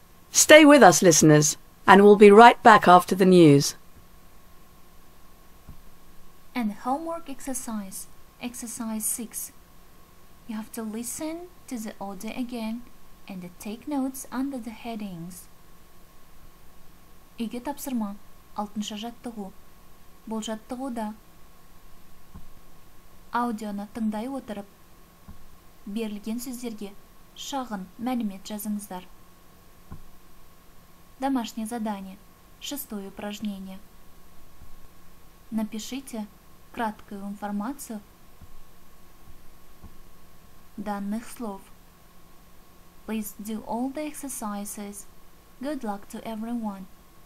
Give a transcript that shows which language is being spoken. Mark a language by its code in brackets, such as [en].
[en] Stay with us, listeners, and we'll be right back after the news. And homework exercise, exercise 6. You have to listen to the audio again and take notes under the headings. [kk] Үйге тапсырма, 6-шы жаттығу. Бұл жаттығуда. Аудионы тыңдай отырып, берілген сөздерге шағын мәлімет жазыңыздар. [ru] Домашнее задание, 6-е упражнение. Напишите краткую информацию данных слов. [en] Please do all the exercises. Good luck to everyone.